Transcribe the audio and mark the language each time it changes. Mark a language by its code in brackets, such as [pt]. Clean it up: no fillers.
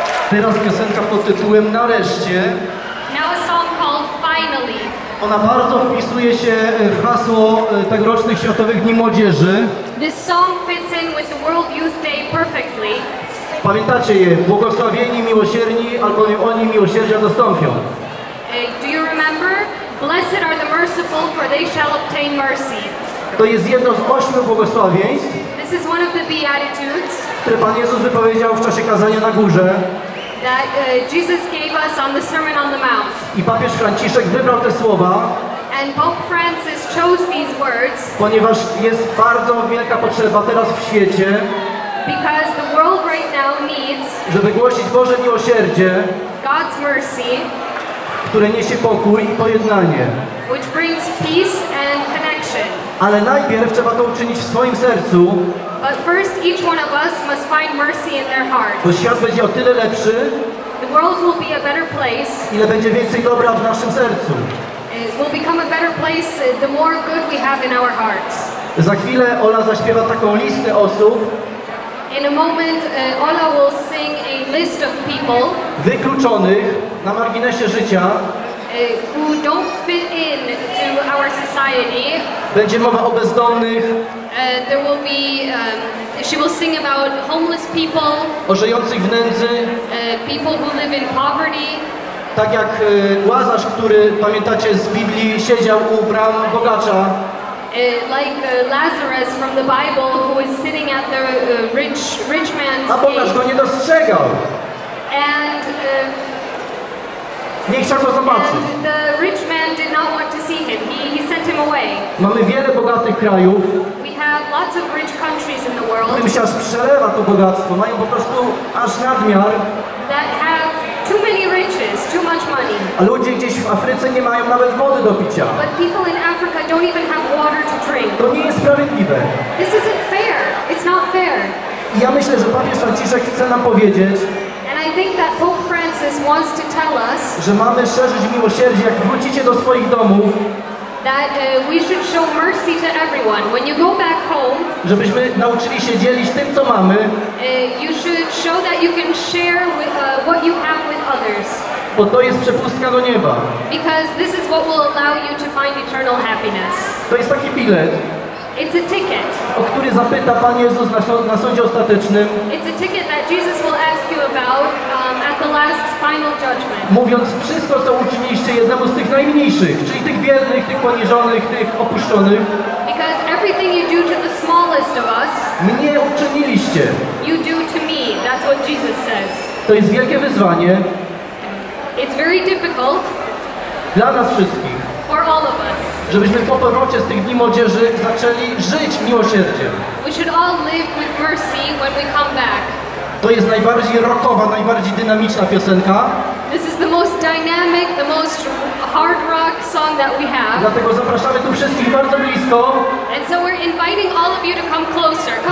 [pl] Teraz piosenka pod tytułem Nareszcie. [en] Now a song called Finally. [pl] Ona bardzo wpisuje się w hasło tegorocznych Światowych Dni Młodzieży. [en] This song fits in with the World Youth Day perfectly. [pl] Pamiętacie je? Błogosławieni, miłosierni, albowiem oni miłosierdzia dostąpią. [en] Do you remember? Blessed are the merciful, for they shall obtain mercy. [pl] To jest jedno z 8 błogosławieństw. [en] This is one of the Beatitudes. [pl] Które Pan Jezus wypowiedział w czasie kazania na górze. [en] That Jesus gave us on the Sermon on the Mount. [pl] I papież Franciszek wybrał te słowa. [en] And Pope Francis chose these words. [pl] Ponieważ jest bardzo wielka potrzeba teraz w świecie. [en] Because the world right now needs. [pl] Żeby głosić Boże miłosierdzie. [en] God's mercy. [pl] Które niesie pokój i pojednanie. [en] Which brings peace and connection. [pl] Ale najpierw trzeba to uczynić w swoim sercu. [en] But first, each one of us must find mercy in their heart. [pl] Bo świat będzie o tyle lepszy, [en] world will be a better place. [pl] Ile będzie więcej dobra w naszym sercu. [en] It will become a better place the more good we have in our hearts. [pl] Za chwilę Ola zaśpiewa taką listę osób. [en] In a moment Ola will sing a list of people. [pl] Wykluczonych na marginesie życia. [en] Who don't fit in to our society. [pl] Będzie mowa o bezdomnych. [en] There will be she will sing about homeless people. [pl] O żyjących w nędzy. [en] People who live in poverty. [pl] Tak jak Łazarz, który pamiętacie z Biblii, siedział u bram bogacza. [en] Like Lazarus from the Bible, who was sitting at the rich man's gate. [pl] A Bogacz go nie dostrzegał. [en] And [pl] nie chciał go zobaczyć. [en] And the rich man did not want to see him. He sent him away. [pl] Mamy wiele bogatych krajów. [en] We have lots of rich countries in the world. [pl] Którym się aż przelewa to bogactwo. Mają po prostu aż nadmiar. [en] That have too many riches, too much money. [pl] A ludzie gdzieś w Afryce nie mają nawet wody do picia. [en] But people in Africa don't even have water to drink. [pl] To nie jest sprawiedliwe. [en] This isn't fair. It's not fair. [pl] I ja myślę, że papież Franciszek chce nam powiedzieć. [en] And I think that Pope Francis wants to tell us. [pl] Że mamy szerzyć miłosierdzie, jak wrócicie do swoich domów. [en] That we should show mercy to everyone when you go back home. [pl] Żebyśmy nauczyli się dzielić tym, co mamy. [en] You should show that you can share with, what you have with others. [pl] Bo to jest przepustka do nieba. [en] Because this is what will allow you to find eternal happiness. [pl] To jest taki bilet. [en] It's a ticket. [pl] O który zapyta Pan Jezus na sądzie ostatecznym. [en] It's a ticket that Jesus will ask you about at the last final judgment. [pl] Mówiąc wszystko, co uczyniliście jednemu z tych najmniejszych, czyli tych biednych, tych poniżonych, tych opuszczonych. [en] Because everything you do to the smallest of us. [pl] Mnie uczyniliście. [en] You do to me. That's what Jesus says. [pl] To jest wielkie wyzwanie. [en] It's very difficult. [pl] Dla nas wszystkich. [en] For all of us. [pl] Żebyśmy po powrocie z tych dni młodzieży zaczęli żyć miłosierdziem. [en] We should all live with mercy when we come back. [pl] To jest najbardziej rockowa, najbardziej dynamiczna piosenka. [en] This is the most dynamic, the most hard rock song that we have. [pl] Dlatego zapraszamy tu wszystkich bardzo blisko. [en] And so we're inviting all of you to come closer, come